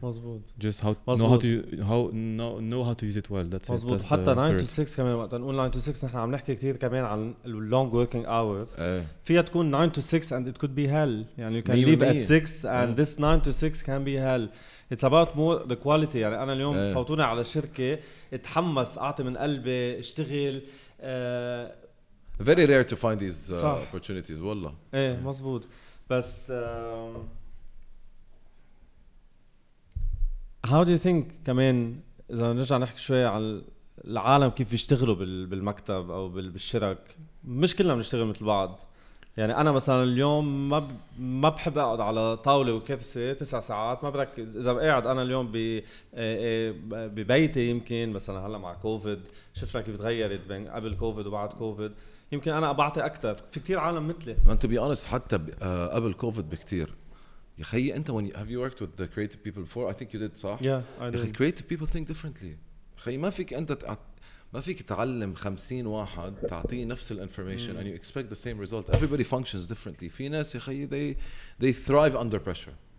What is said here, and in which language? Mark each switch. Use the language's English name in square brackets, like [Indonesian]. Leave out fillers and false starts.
[Arabic] مزبوط. [English] Just how, [Arabic] مزبوط. [English] Know how to use it well. That's مزبوط. It. That's [Arabic] حتى 9 to 6 كمان وقت نقول 9 to 6 نحن عم نحكي كتير كمان عن [English] long working hours. [Arabic] فيها تكون [English] 9 to 6 and it could be hell. يعني you can leave at 6 and this 9 to 6 can be hell. It's about more the quality. [Arabic] يعني أنا اليوم فوتوني على شركة اتحمس أعطي من قلبي اشتغل. [English] Very rare to find these opportunities. والله. [Arabic] إيه مزبوط. بس [English] how do you think [Arabic] كمان إذا نرجع نحكي شوية على العالم كيف يشتغلوا بالمكتب أو بالشرك, مش كلنا بنشتغل مثل بعض. يعني أنا مثلا اليوم ما بحب أقعد على طاولة وكرسي 9 ساعات, ما بركز. إذا بقعد أنا اليوم ببيتي يمكن مثلا هلا مع كوفيد شفنا كيف تغيرت بين قبل كوفيد وبعد كوفيد, يمكن أنا أبعطي أكثر. في كتير عالم مثلي. [English] And to be honest, [Arabic] حتى قبل كوفيد بكتير. يا خيي أنت [English] when you, have you worked with the creative people before? I think you did, صح؟ Yeah, I did. Creative people think differently. [Arabic] خيي ما فيك أنت ما فيك تعلم 50 واحد تعطيه نفس ال [English] information and you expect the same result. Everybody functions differently. [Arabic] في ناس يا خيي [English] they thrive under pressure.